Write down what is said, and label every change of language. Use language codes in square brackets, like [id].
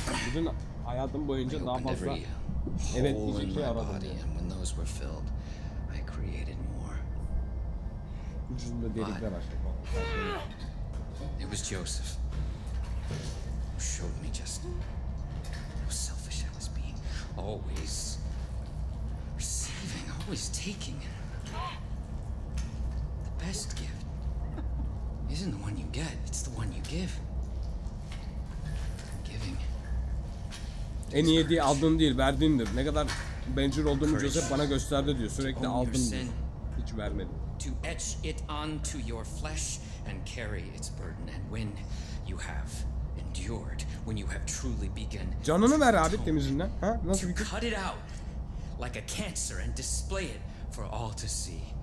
[tr] Bütün hayatım boyunca daha fazla evet diyecekleri aradım. [en] When those were filled, I created more. [tr] Ucunda delikler açtık. [en] It was Joseph who showed me just how selfish I was being, always receiving, always taking. The best gift isn't the one you get, it's the one you give. [tr] En iyi hediye aldığın değil, verdiğindir. Ne kadar bencil olduğunu Joseph bana gösterdi diyor. Sürekli aldım diyor. Hiç vermedim. [en] To etch it onto your flesh and carry its burden. And when you have endured, when you have truly begun. [tr] Canını ver abi temizinden. Ha? Nasıl bitir? [en] Cut it out like a cancer and display it for all to see.